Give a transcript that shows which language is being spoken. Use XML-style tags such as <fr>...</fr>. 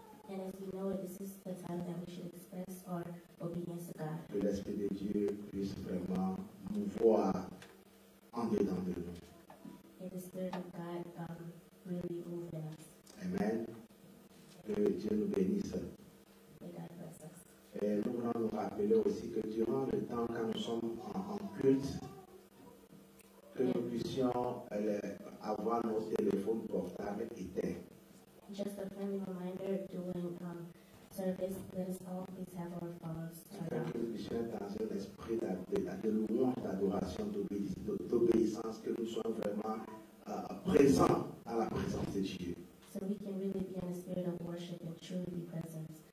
<en>And as we know, this is the time that we should express our obedience to God.</en> <fr>Que l'Esprit de Dieu puisse vraiment mouvoir en dedans de nous.</fr> <en>May the Spirit of God really move in us.</en> <fr>Amen. Que Dieu nous bénisse.</fr> <en>May God bless us.</en> <fr>Et nous voulons nous rappeler aussi que durant le temps quand nous sommes en culte, que nous puissions avoir nos téléphones portables éteints.</fr> <en>Just a friendly reminder, during service, let us always have our phones turned off.</en> <fr>Que nous puissions être dans un esprit de louange, d'adoration, d'obéissance, que nous soyons vraiment présents à la présence de Dieu.</fr> <en>So we can really be in a spirit of worship and truly be present.</en>